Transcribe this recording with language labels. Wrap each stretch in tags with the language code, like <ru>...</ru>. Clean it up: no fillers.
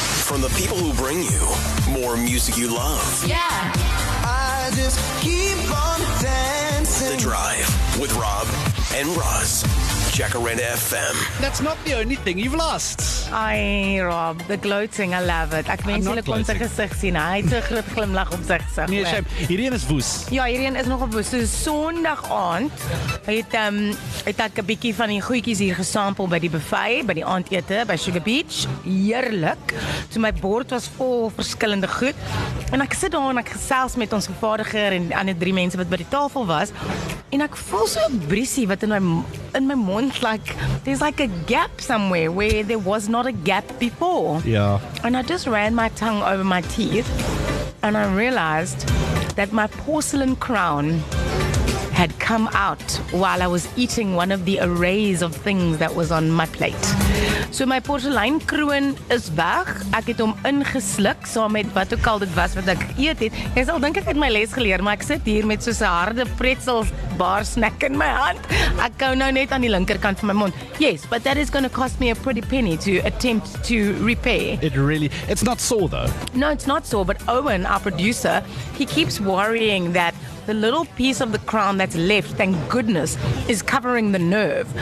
<en>from the people who bring you more music you love. Yeah. I just keep on dancing. The Drive with Rob and Roz. Jacaranda FM. That's not the only thing you've lost. Ay, Rob, the gloating, I love it.</en> <af>Ek mens hulle kon sy gesig sien. Hy het 'n groot glimlag op sy gesig. Nee, shame. Hierdie is woes. Ja, hierdie is nogal woes. So Sondag aand het ek 'n bietjie van die goedjies hier gesampel by die buffet, by die aandete by Sugar Beach. Heerlik. So my bord was vol verskillende goed. En ek sit daar en ek gesels met ons vervaardiger en ander drie mense wat by die tafel was. En ek voel so 'n briesie wat in my mond,</af> <en>like, there's like a gap somewhere where there was not a gap before. Yeah. And I just ran my tongue over my teeth and I realized that my porcelain crown had come out while I was eating one of the arrays of things that was on my plate.</en> <af>So my porselein kroon is weg. Ek het hom ingesluk saam met wat ook al dit was wat ek geëet het. Jy sal dink ek het my les geleer, maar ek sit hier met so 'n harde pretzel bar snack in my hand. Ek kou nou net aan die linkerkant van my mond.</af> <en>Yes, but that is going to cost me a pretty penny to attempt to repair. It's not sore though. No, it's not sore, but Owen, our producer, he keeps worrying that the little piece of the crown that's left, thank goodness, is covering the nerve.</en>